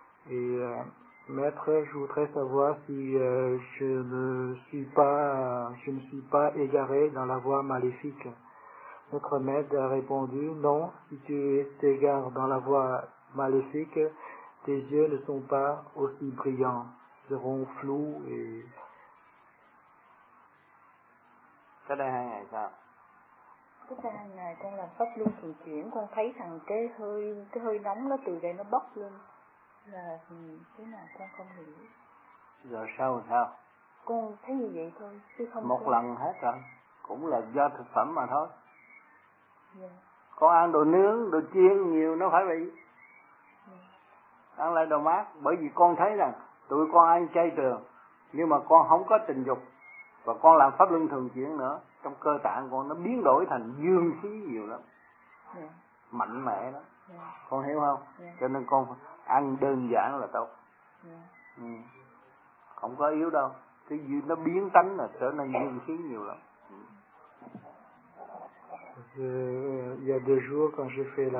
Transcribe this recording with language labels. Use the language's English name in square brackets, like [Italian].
[French] Et maître, je voudrais savoir si je ne suis pas égaré dans la voie maléfique. Notre maître a répondu, non, si tu t'égares dans la voie maléfique, tes yeux ne sont pas aussi brillants, ils seront flous et... [Vietnamese] Cái đây 2 ngày sao? Cái đây 2 ngày con làm pháp luân thường chuyển, con thấy rằng cái hơi nóng nó từ đây nó bốc lên. Là thế nào con không hiểu. Giờ sao sao? Con thấy như vậy thôi, chứ không... Một lần hết rồi, cũng là do thực phẩm mà thôi. Dạ. Con ăn đồ nướng, đồ chiên nhiều nó phải bị... Ăn lại đồ mát, bởi vì con thấy rằng tụi con ăn chay trường, nhưng mà con không có tình dục, và con làm pháp luân thường chuyển nữa, trong cơ tạng con nó biến đổi thành dương khí nhiều lắm. Yeah. Mạnh mẽ lắm. Yeah. Con hiểu không? Yeah. Cho nên con ăn đơn giản là tốt. Yeah. Ừ. Không có yếu đâu, cái gì nó biến tánh là trở nên dương khí nhiều lắm. [French] Il y a deux jours quand j'ai fait la...